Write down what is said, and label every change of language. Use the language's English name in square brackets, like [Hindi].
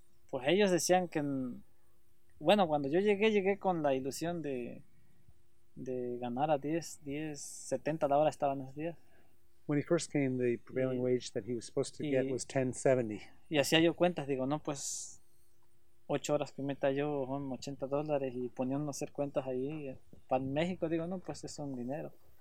[Spanish] Pues ellos decían que, bueno, cuando yo llegué con la ilusión de ganar a 10.70 la hora estaban esos días. [English] When he first came, the prevailing wage that he was supposed to get was 10.70. [Spanish] Y hacía yo cuentas, digo, no, pues 8 horas que meta yo son $80, y poniendo a hacer cuentas ahí para México, digo, no, pues es un dinero.